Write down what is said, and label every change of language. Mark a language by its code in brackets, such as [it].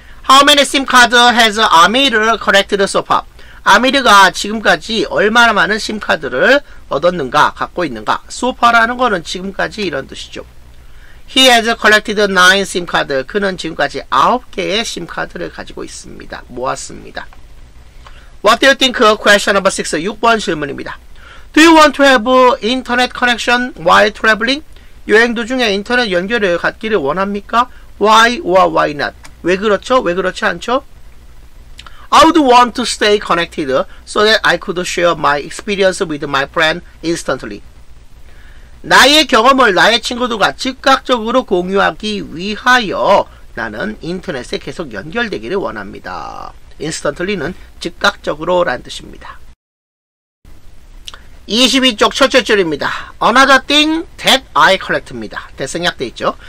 [en] How many SIM cards has Amir collected so far? [ko] 아미르가 지금까지 얼마나 많은 SIM카드를 얻었는가, 갖고 있는가. So far라는 거는 지금까지 이런 뜻이죠. [en] He has collected 9 SIM카드. [ko] 그는 지금까지 9개의 SIM카드를 가지고 있습니다. 모았습니다. [en] What do you think? Question number 6. [ko] 6번 질문입니다. [en] Do you want to have internet connection while traveling? [ko] 여행 도중에 인터넷 연결을 갖기를 원합니까? [en] Why or why not? [ko] 왜 그렇죠? 왜 그렇지 않죠? [en] I would want to stay connected so that I could share my experience with my friend instantly. [ko] 나의 경험을 나의 친구들과 즉각적으로 공유하기 위하여 나는 인터넷에 계속 연결되기를 원합니다. Instantly는 즉각적으로 라는 뜻입니다. 22쪽 첫째 줄입니다. [en] Another thing that I collect [ko] 입니다. That 생략되어 있죠.